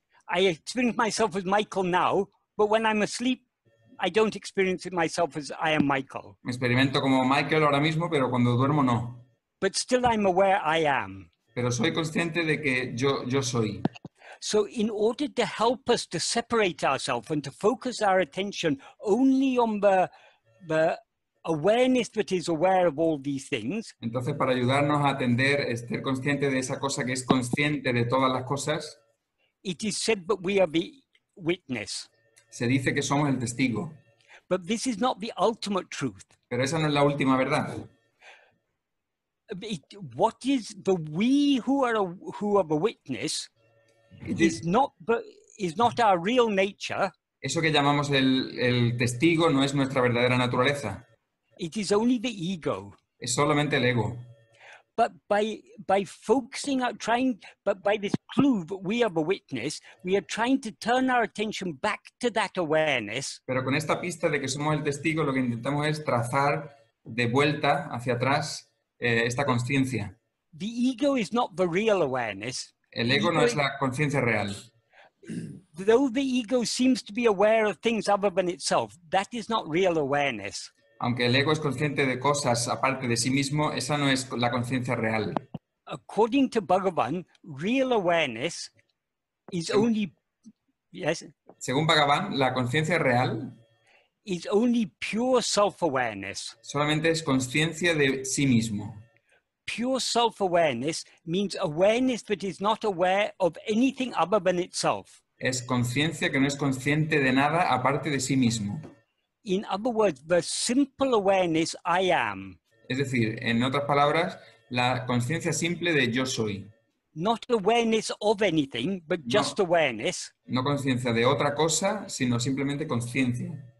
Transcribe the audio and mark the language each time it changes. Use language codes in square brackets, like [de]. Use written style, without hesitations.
[en] I experience myself as Michael now, but when I'm asleep, I don't experience it myself as I am Michael. [es] Me experimento como Michael ahora mismo, pero cuando duermo no. [en] But still I'm aware I am. [es] Pero soy consciente de que yo soy. [en] So in order to help us to separate ourselves and to focus our attention only on the awareness that is aware of all these things. [es] Entonces para ayudarnos a atender, estar consciente de esa cosa que es consciente de todas las cosas. [en] It is said that we are the witness. [es] Se dice que somos el testigo. [en] But this is not the ultimate truth. [es] Pero esa no es la última verdad. [en] What is the we who are the witness? Is not our real nature. [es] Eso que llamamos el testigo no es nuestra verdadera naturaleza. [en] It is only the ego. [es] Es solamente el ego. [en] But by focusing out, trying, but by this clue that we are the witness, we are trying to turn our attention back to that awareness. [es] Pero con esta pista de que somos el testigo, lo que intentamos es trazar de vuelta hacia atrás esta conciencia. [en] The ego is not the real awareness. [es] El ego no es la conciencia real. [en] Though the ego seems to be aware of things other than itself, that is not real awareness. [es] Aunque el ego es consciente de cosas aparte de sí mismo, esa no es la conciencia real. [en] According to Bhagavan, real awareness is only yes. [es] Según Bhagavan, la conciencia real [en] is only pure self-awareness. [es] Solamente es conciencia de sí mismo. [en] Pure self-awareness means awareness that is not aware of anything other than itself. [es] Es conciencia que no es consciente de nada aparte de sí mismo. [en] In other words, the simple awareness I am. [es] Es decir, en otras palabras, la conciencia simple de yo soy. [en] Not awareness of anything, but just awareness. [es] No conciencia de otra cosa, sino simplemente conciencia.